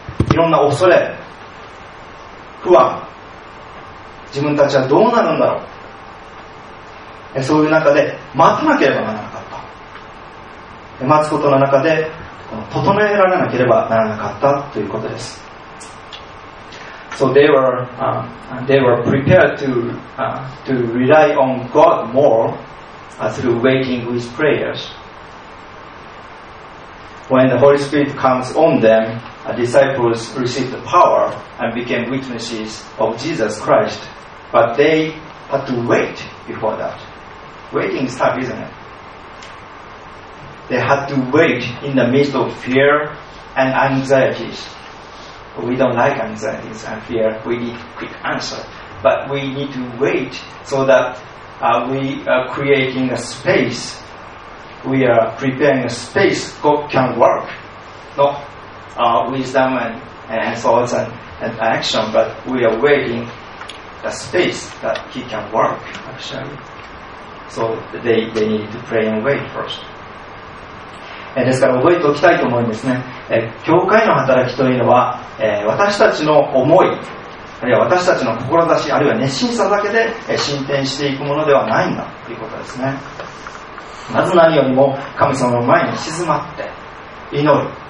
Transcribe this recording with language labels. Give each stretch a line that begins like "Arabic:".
Japanese: いろんな恐れ、不安、自分たちはどうなるんだろう、そういう中で待たなければならなかった。待つことの中で整えられなければならなかったということです。
English: So they were prepared to rely on God more through waiting with prayers. When the Holy Spirit comes on themDisciples received the power and became witnesses of Jesus Christ, but they had to wait before that. Waiting is tough, isn't it? They had to wait in the midst of fear and anxieties. We don't like anxieties and fear. We need quick answer. But we need to wait so that we are creating a space. We are preparing a space God can work. No. Wisdom and thoughts and action, but we are waiting a space that he can work, actually. So they need to pray and wait first.
Japanese: ですから覚えておきたいと思うんですね。教会の働きというのは、私たちの思い、あるいは私たちの志、あるいは熱心さだけで進展していくものではないんだということですね。まず何よりも神様の前に静まって祈る。